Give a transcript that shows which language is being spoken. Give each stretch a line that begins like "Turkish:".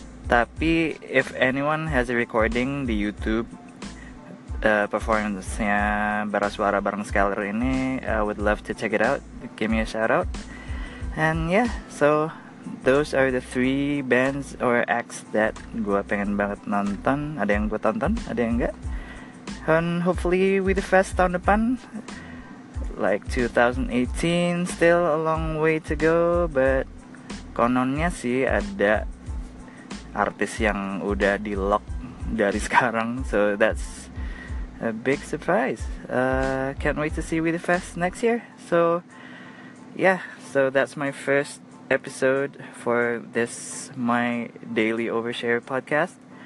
English: Tapi if anyone has a recording di YouTube performance-nya Bara Suara bareng Skaler ini, I would love to check it out. Give me a shout out. And yeah, so those are the three bands or acts that
Indonesian: gue pengen banget nonton. Ada yang gue tonton, ada yang enggak.
English: And hopefully With The Fest
Indonesian: tahun depan,
English: like 2018, still a long way to go.
Indonesian: But kononnya sih ada artis yang udah di lock dari sekarang.
English: So that's a big surprise. Can't wait to see With The Fest next year. So yeah, so that's my first episode for this My Daily Overshare podcast.